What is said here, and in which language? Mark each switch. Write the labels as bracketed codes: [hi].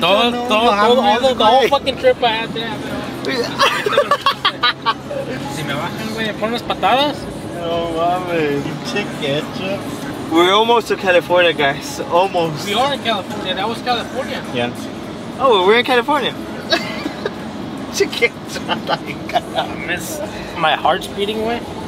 [es] Todo, [en] the whole fucking trip I had to have. [es] Si me bajan, güey, me ponen las patadas. No mames, pinche ketchup. [en] We're almost to California, guys. Almost. We are in California. That was California. Yeah. Oh, well, we're in California. [es] Pinche ketchup. [en] I miss my heart's beating, güey.